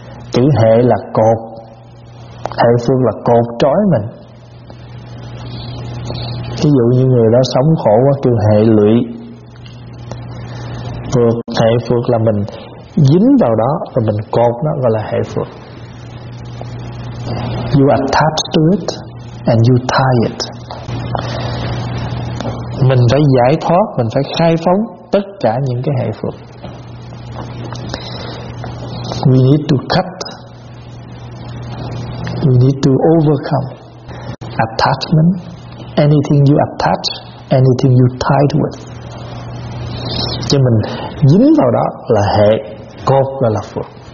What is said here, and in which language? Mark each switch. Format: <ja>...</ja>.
<vi>Chữ hệ là cột, hệ phược là cột trói mình. Ví dụ như người đó sống khổ quá kêu hệ lụy. Phược, hệ phược là mình dính vào đó và mình cột nó, gọi là hệ phược.</vi> <en>You attach to it and you tie it.</en> <vi>Mình phải giải thoát, mình phải khai phóng tất cả những cái hệ phược.</vi> <en>We need to cut, we need to overcome attachment. Anything you attach, anything you tied with,</en> <vi>cho mình dính vào đó là hệ, cột là phược.</vi>